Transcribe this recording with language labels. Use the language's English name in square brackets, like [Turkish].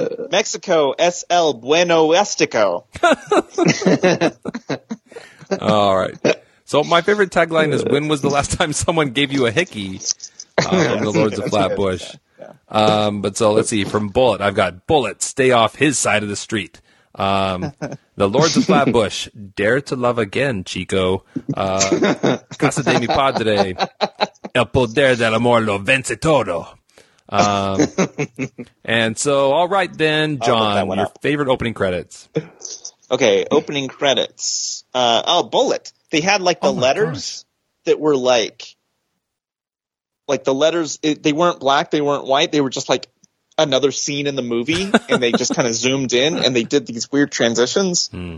[English] Mexico es el bueno estico. All right. So my favorite tagline is, when was the last time someone gave you a hickey? From the Lords of Flatbush. Yeah. But so let's see. From Bullet, I've got Bullet, stay off his side of the street. The Lords of Flatbush, dare to love again, Chico. [Spanish] Casa de mi Padre, el poder del amor lo vence todo. [English] And so, all right then, John, your favorite opening credits. Okay, opening credits. Bullet. They had like the letters that were like the letters, they weren't black, they weren't white, they were just like another scene in the movie, and they just kind of zoomed in and they did these weird transitions.